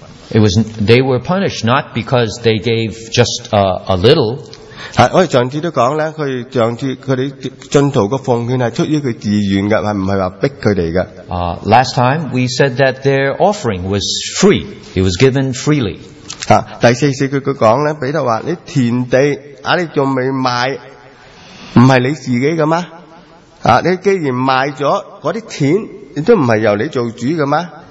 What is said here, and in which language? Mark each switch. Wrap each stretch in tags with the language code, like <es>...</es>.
<en>they were punished not because they gave just a little.</en> <zh>我们上次都说他们信徒的奉献是出于他们自愿的,不是逼他们的,</zh> <en>last time we said that their offering was free, it was given freely.</en> <zh>第四次他说,彼得说,你田地还没卖,不是你自己的吗? 你既然卖了,那些钱也不是由你做主的吗?</zh>